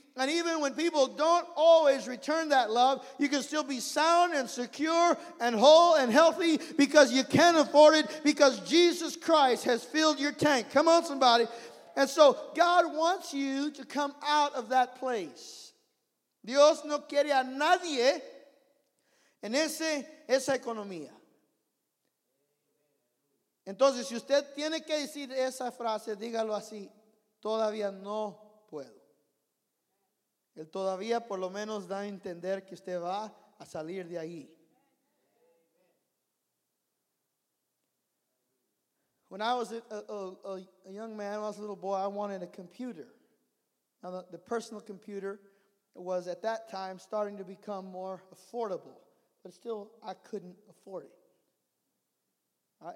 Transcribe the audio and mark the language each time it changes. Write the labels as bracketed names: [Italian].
[English] And even when people don't always return that love, you can still be sound and secure and whole and healthy because you can't afford it, because Jesus Christ has filled your tank. Come on, somebody. And so God wants you to come out of that place. [Spanish] Dios no quiere a nadie en esa economía. Entonces, si usted tiene que decir esa frase, dígalo así. Todavía no puedo. Él todavía por lo menos da a entender que usted va a salir de ahí. [English] When I was a young man, when I was a little boy, I wanted a computer. Now the personal computer was at that time starting to become more affordable, but still I couldn't afford it.